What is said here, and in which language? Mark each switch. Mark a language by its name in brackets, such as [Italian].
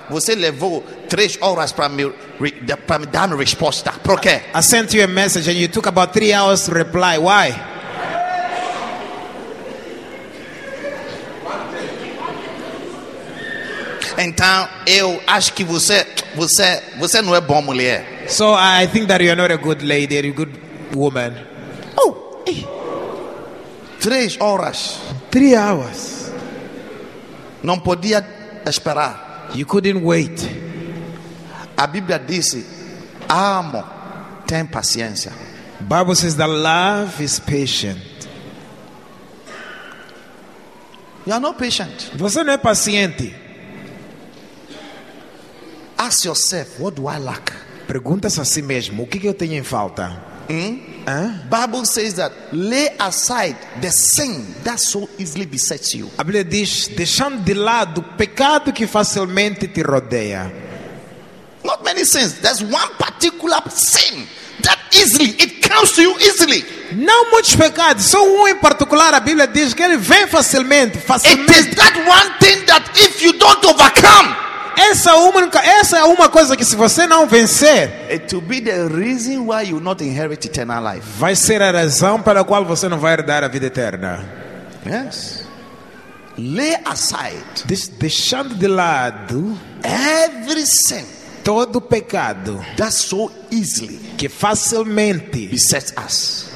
[Portuguese] Você levou 3 horas para me dar uma resposta. Por quê? [English] I sent you a message and you took about 3 hours to reply. Why? [Portuguese] Então, eu acho que você não é boa mulher. [English] So, I think that you're not a good lady, you're a good woman. [Portuguese] Oh, hey. 3 horas. [English] 3 hours. [Portuguese] Não podia esperar. [English] You couldn't wait. [Portuguese] A Bíblia diz: amo tem paciência. [English] Bible says that love is patient. You are not patient. [Portuguese] Você não é paciente. [English] Ask yourself, what do I lack? [Portuguese] Pergunta-se a si mesmo, o que eu tenho em falta? [English] Bible says that lay aside the sin that so easily besets you. [Portuguese] A Bíblia diz, deixando de lado o pecado que facilmente te rodeia. [English] Not many sins. There's one particular sin that easily it comes to you easily. [Portuguese] Não muitos pecados, só em particular a Bíblia diz que ele vem facilmente, [English] It is that one thing that if you don't overcome. [Portuguese] Essa é uma coisa que se você não vencer, [English] it will be the reason why you not inherit eternal life. [Portuguese] Vai ser a razão pela qual você não vai herdar a vida eterna. [English] Yes. lay aside, [Portuguese] deixando de lado, [English] every sin, [Portuguese] todo pecado, [English] that so easily, [Portuguese] que facilmente, [English] besets us,